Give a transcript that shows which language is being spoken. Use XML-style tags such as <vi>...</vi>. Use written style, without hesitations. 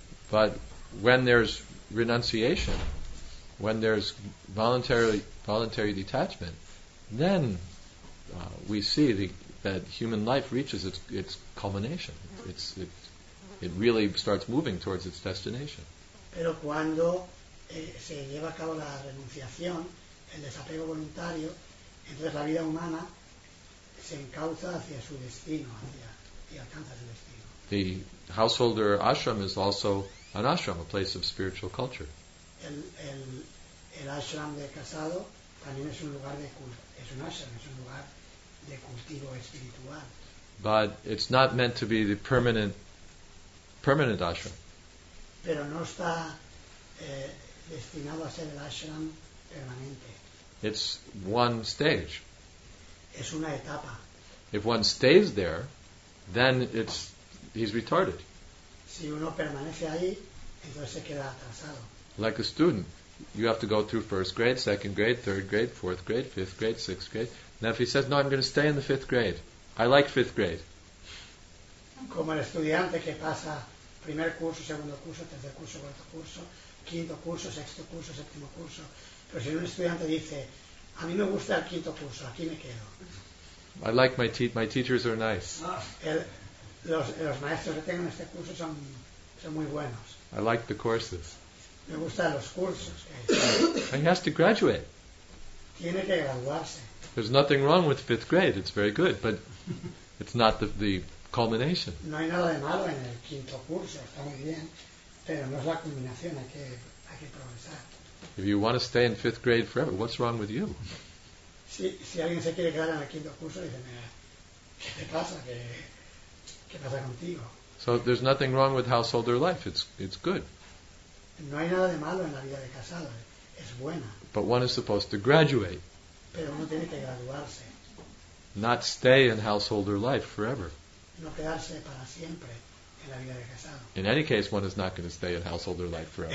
<en>But when there's renunciation, when there's voluntary detachment, then we see that human life reaches its culmination. It really starts moving towards its destination.</en> <es>Pero cuando se lleva a cabo la renunciación, el desapego voluntario, entonces la vida humana se encauza hacia su destino, y alcanza su destino.</es> <en>The householder ashram is also an ashram, a place of spiritual culture.</en> <es>El ashram de casado también es un lugar de culto, es un ashram, es un lugar de cultivo espiritual.</es> <en>But it's not meant to be the permanent ashram.</en> <es>Pero no está destinado a ser el ashram permanente.</es> <en>It's one stage.</en> <es>Es una etapa.</es> <en>If one stays there, then he's retarded.</en> <es>Si uno permanece ahí, entonces se queda atrasado.</es> <en>Like a student, you have to go through first grade, second grade, third grade, fourth grade, fifth grade, sixth grade. Now if he says, no, I'm going to stay in the fifth grade. I like fifth grade.</en> <es>Como el estudiante que pasa primer curso, segundo curso, tercer curso, cuarto curso, quinto curso, sexto curso, séptimo curso. Pero si un estudiante dice, a mí me gusta el quinto curso, aquí me quedo.</es> <en>I like my teachers are nice.</en> <es>Los maestros que tengo en este curso son muy buenos.</es> <en>I like the courses.</en> <es>Me gustan los cursos.</es> <en>And he has to graduate.</en> <es>Tiene que graduarse.</es> <en>There's nothing wrong with fifth grade. It's very good, but it's not the culmination.</en> <es>No hay nada de malo en el quinto curso, está muy bien, pero no es la culminación, hay que progresar.</es> <en>If you want to stay in fifth grade forever, what's wrong with you?</en> <es>Si alguien se quiere quedar en el quinto curso, dice, ¿qué te pasa? ¿Qué pasa contigo?</es> <en>So there's nothing wrong with householder life, it's good.</en> <es>No hay nada de malo en la vida de casado, es buena.</es> <en>But one is supposed to graduate.</en> <es>Pero uno tiene que graduarse.</es> <en>Not stay in householder life forever.</en> <es>No quedarse para siempre en la vida de casado.</es> <en>In any case, one is not going to stay in householder life forever.</en>